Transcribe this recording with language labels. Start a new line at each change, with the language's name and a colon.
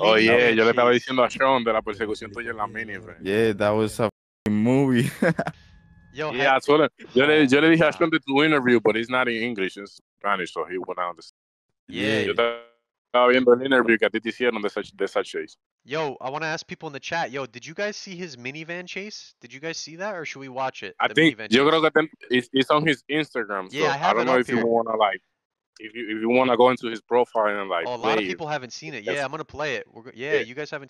Spanish: Oh, yeah, yo le estaba diciendo a Sean de la persecución tuya en la minivan.
English: Yeah, that was a movie. Yo, yeah, I told him.
Spanish: Yo le dije a Sean de tu interview,
English: but he's not in English, it's Spanish, so he went out. Yeah.
Spanish: Estaba viendo el interview que a ti te hicieron de esa chase.
English: Yo, I want to ask people in the chat. Yo, did you guys see his minivan chase? Did you guys see that, or should we watch it? I think it's on his Instagram. So yeah, I don't know if you want to go into his profile and like. Oh, a lot of people haven't seen it. Yeah, I'm gonna play it. You guys haven't